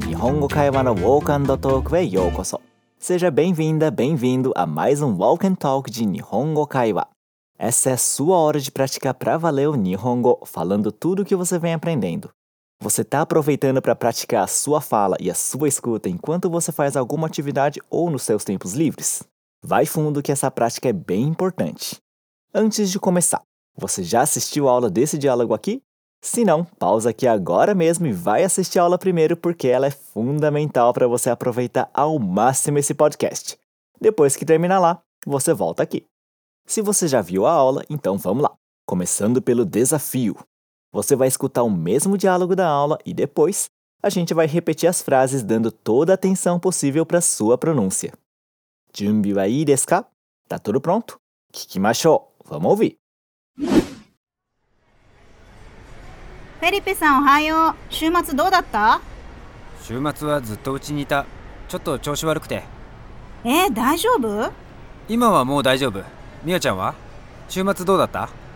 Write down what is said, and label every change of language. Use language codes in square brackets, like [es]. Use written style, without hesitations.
[ja] 日本語会話のウォークアンドトークへようこそ。 [pt] Seja bem-vinda, bem-vindo a mais um Walk and Talk de Nihongo Kaiwa. Essa é a sua hora de praticar pra valer o Nihongo, falando tudo o que você vem aprendendo. Você tá aproveitando pra praticar a sua fala e a sua escuta enquanto você faz alguma atividade ou nos seus tempos livres? Vai fundo que essa prática é bem importante. Antes de começar, você já assistiu a aula desse diálogo aqui? Se não, pausa aqui agora mesmo e vai assistir a aula primeiro porque ela é fundamental para você aproveitar ao máximo esse podcast. Depois que terminar lá, você volta aqui. Se você já viu a aula, então vamos lá. Começando pelo desafio. Você vai escutar o mesmo diálogo da aula e depois a gente vai repetir as frases dando toda a atenção possível para a sua pronúncia. [ja] Junbi wa ii desu ka? [pt] Tá tudo pronto? [ja] Kikimashou! [pt] Vamos ouvir! [ja] フェリペさん、おはよう。週末どうだった？週末はずっと家にいた。ちょっと調子悪くて。大丈夫？今はもう大丈夫。ミオちゃんは？週末どうだった？